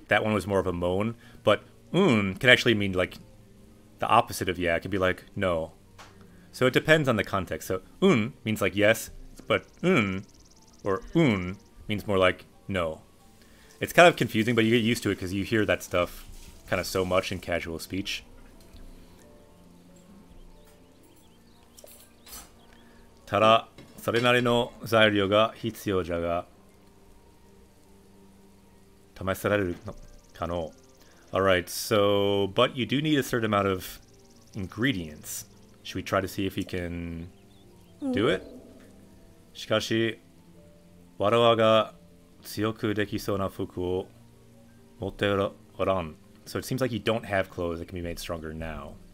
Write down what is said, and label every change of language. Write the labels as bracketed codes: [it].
[en] That one was more of a moan, but un can actually mean like the opposite of yeah. It can be like no. So it depends on the context. So un means like yes, but un. Or un means more like no. It's kind of confusing, but you get used to it because you hear that stuff kind of so much in casual speech. [ja] ただ、それなりの材料が必要じゃが、試されるかの。 [en] Alright, so, but you do need a certain amount of ingredients. Should we try to see if you can do it? [ja] しかし、わらわが強くできそうな服を持っておらん。 [en] So it seems like you don't have clothes that can be made stronger now.